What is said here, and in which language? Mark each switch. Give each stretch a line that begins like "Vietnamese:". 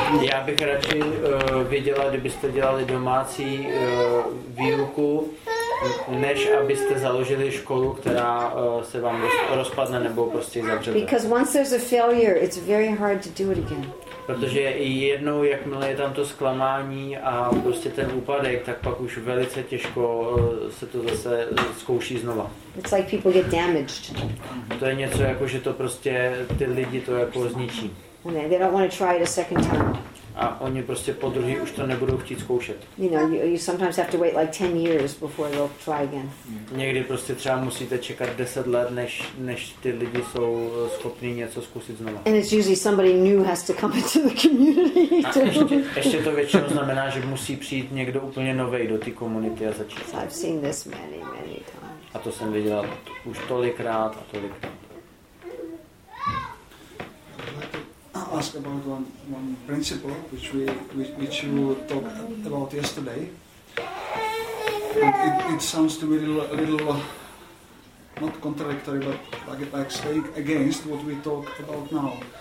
Czech: Já bych radši viděla, kdybyste dělali domácí výuku, než abyste založili školu, která se vám rozpadne nebo prostě zavřete.
English: Because once there's a failure, it's very hard to do it again.
Czech: Protože jednou, jakmile je tam to zklamání a prostě ten úpadek, tak pak už velice těžko se to zase zkouší znova.
English: It's like people get damaged.
Czech: To je něco jako, že to prostě ty lidi to jako zničí.
English: Okay, they don't want to try it a second time.
Czech: A oni prostě po druhý už to nebudou chtít zkoušet.
English: You know, you sometimes have to wait like 10 years before they'll try again.
Czech: Někdy prostě třeba musíte čekat 10 let, než ty lidi jsou schopni něco zkusit znova.
English: And it's usually somebody new has to come into the community.
Czech: Ještě to většinou znamená, že musí přijít někdo úplně novej do té komunity a začít.
English: So I've seen this many, many times.
Czech: A to jsem viděl už tolikrát a tolikrát.
English: Ask about one principle which you talked about yesterday. It sounds to me a little not contradictory, but like saying against what we talk about now.